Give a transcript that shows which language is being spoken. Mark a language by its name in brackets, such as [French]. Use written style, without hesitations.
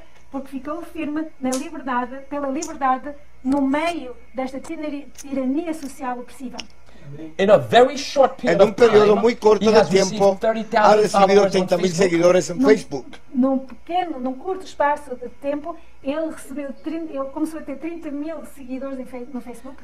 [Portuguese] Porque ficou firme na liberdade, pela liberdade no meio desta tirania social opressiva. [Spanish] En un periodo muy corto de tiempo ha recibido 30.000 seguidores en Facebook. [Portuguese] Num curto espaço de tempo, ele começou a ter 30.000 seguidores no Facebook.